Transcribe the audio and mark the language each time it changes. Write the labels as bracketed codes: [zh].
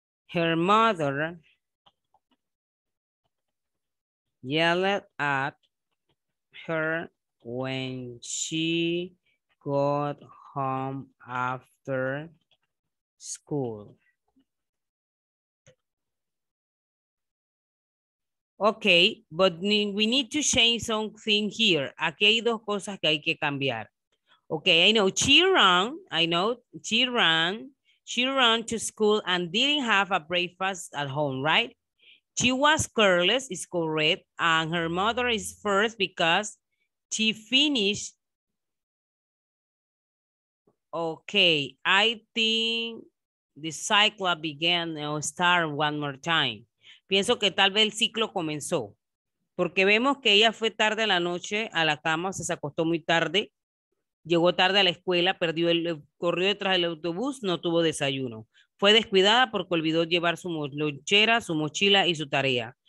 [en] Her mother yelled at her when she got home after school. Okay, but we need to change something here. [es] Aquí hay dos cosas que hay que cambiar. [en] Okay, I know she ran. I know she ran. She ran to school and didn't have a breakfast at home, right? She was careless, is correct, and her mother is first because she finished. Okay, I think the cycle began, or start one more time. [es] Pienso que tal vez el ciclo comenzó, porque vemos que ella fue tarde en la noche a la cama, o sea, se acostó muy tarde, llegó tarde a la escuela, perdió el, corrió detrás del autobús, no tuvo desayuno. Fue descuidada porque olvidó llevar su lonchera, su mochila y su tarea.